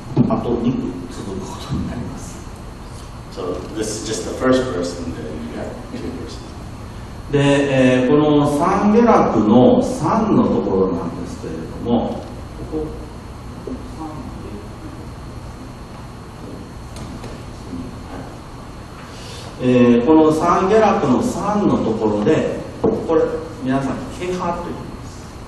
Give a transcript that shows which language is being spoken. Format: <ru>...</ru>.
<ja>あと2句続くことになります。</ja> <en>So this is just the first verse and then you have two verses.</en> <ja>で、この三下落の三のところなんですけれども、ここ3、この三下落の三のところで、これ皆さん、ケハと言います。</ja>